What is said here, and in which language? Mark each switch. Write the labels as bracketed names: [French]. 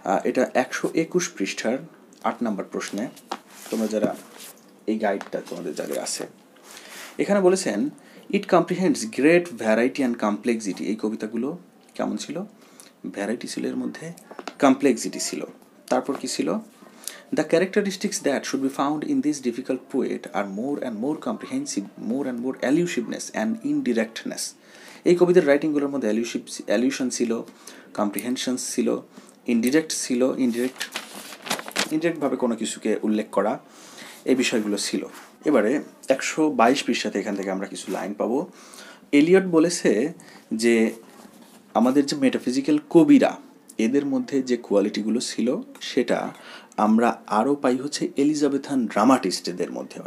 [Bangla] এটা 121 পৃষ্ঠার 8 নম্বর প্রশ্নে, তোমরা যারা এই গাইডটা তোমাদের যাদের আছে, এখানে বলেছেন [English] It comprehends great variety and complexity. [Bangla] এই কবিতাগুলো কেমন ছিল? ভ্যারাইটি ছিল এর মধ্যে, কমপ্লেক্সিটি ছিল, তারপর কী ছিল? [English] The characteristics that should be found in this difficult poet are more and more comprehensive, more and more elusiveness and indirectness. [Bangla] এই কবিতার রাইটিংগুলোর মধ্যে এলিউশন ছিল, কম্প্রিহেনশন ছিল, ইনডিরেক্ট ছিল, ইনডিরেক্টভাবে কোনো কিছুকে উল্লেখ করা, এই বিষয়গুলো ছিল। এবারে 122 পৃষ্ঠাতে এখান থেকে আমরা কিছু লাইন পাবো। এলিয়ট বলেছে যে আমাদের যে মেটাফিজিক্যাল কবিরা, এদের মধ্যে যে কোয়ালিটিগুলো ছিল সেটা আমরা আরও পাই হচ্ছে এলিজাবেথান ড্রামাটিস্টদের মধ্যে।